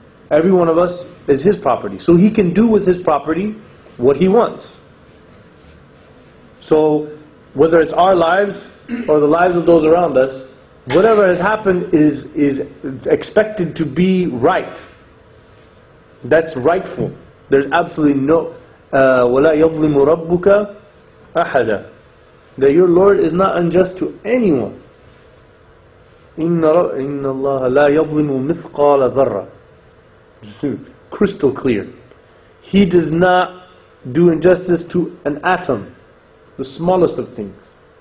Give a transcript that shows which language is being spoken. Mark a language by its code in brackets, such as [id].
[en] Every one of us is His property. So He can do with His property what He wants. So whether it's our lives or the lives of those around us, whatever has happened is expected to be right. That's rightful. There's absolutely no [ar] وَلَا يَظْلِمُ رَبُّكَ أَحَدًا. [en] That your Lord is not unjust to anyone. [ar] إِنَّ اللَّهَ لَا يَظْلِمُ مِثْقَالَ ذَرَّةً. [en] Crystal clear. He does not do injustice to an atom, the smallest of things.